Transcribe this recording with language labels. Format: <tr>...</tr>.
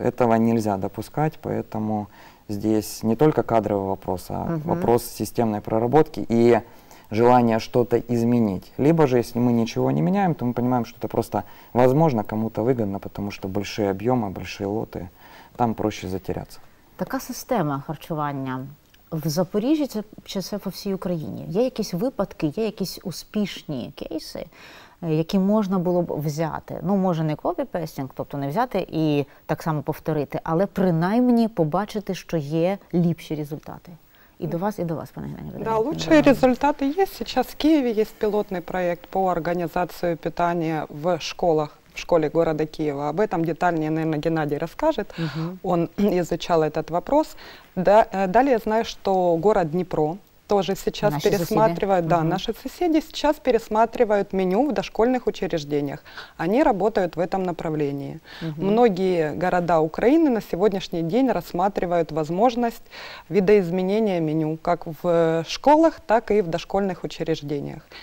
<ru>Этого нельзя допускать, поэтому здесь не только кадровый вопрос, а вопрос системной проработки и желание что-то изменить. Либо же, если мы ничего не меняем, то мы понимаем, что это просто возможно, кому-то выгодно, потому что большие объемы, большие лоты, там проще затеряться.</ru> <uk>Така система харчування в Запоріжжі чи це по всій Україні? Є якісь випадки, є якісь успішні кейси, які можна було б взяти? Ну, може не копі-пестінг, тобто не взяти і так само повторити, але принаймні побачити, що є ліпші результати. І до вас, пане Геннадію. Да, лучші результати є. Зараз в Києві є пілотний проєкт по організації питання в школах.</uk> <ru>В школе города Киева. Об этом детальнее, наверное, Геннадий расскажет. Угу. Он изучал этот вопрос. Далее знаю, что город Днепро тоже сейчас наши пересматривает. Соседи. Да, угу. Наши соседи сейчас пересматривают меню в дошкольных учреждениях. Они работают в этом направлении. Угу. Многие города Украины на сегодняшний день рассматривают возможность видоизменения меню как в школах, так и в дошкольных учреждениях.</ru>